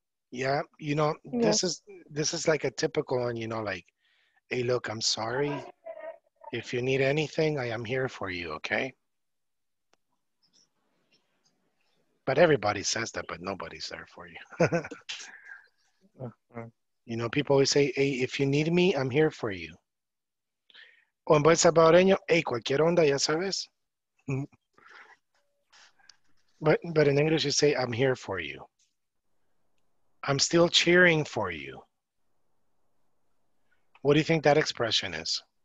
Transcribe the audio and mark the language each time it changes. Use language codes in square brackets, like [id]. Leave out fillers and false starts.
[en] Yeah, you know, this is like a typical one, you know, like, hey, look, I'm sorry. If you need anything, I am here for you, okay? But everybody says that, but nobody's there for you. You know, people always say, hey, if you need me, I'm here for you. [es] O en buen salvadoreño, hey, cualquier onda, ya sabes? [en] But in English you say, I'm here for you. I'm still cheering for you. What do you think that expression is?